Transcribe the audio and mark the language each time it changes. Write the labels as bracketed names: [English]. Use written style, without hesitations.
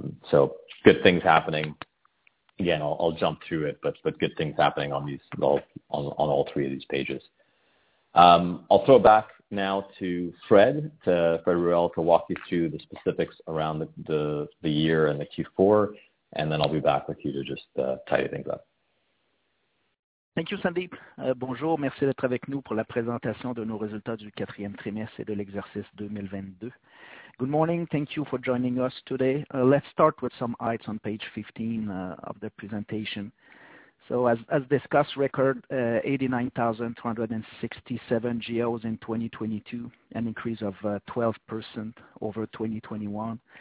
[English] So good things happening. Again, I'll jump through it, but good things happening on these on all three of these pages. I'll throw it back now to Fred Ruel to walk you through the specifics around the year and the Q4, and then I'll be back with you to just tidy things up. Thank you, Sandeep. [French] Bonjour, merci d'être avec nous pour la présentation de nos résultats du quatrième trimestre et de l'exercice 2022. [English] Good morning, thank you for joining us today. Let's start with some items on page 15 of the presentation. So as discussed, record 89,267 GEOs in 2022, an increase of 12% over 2021.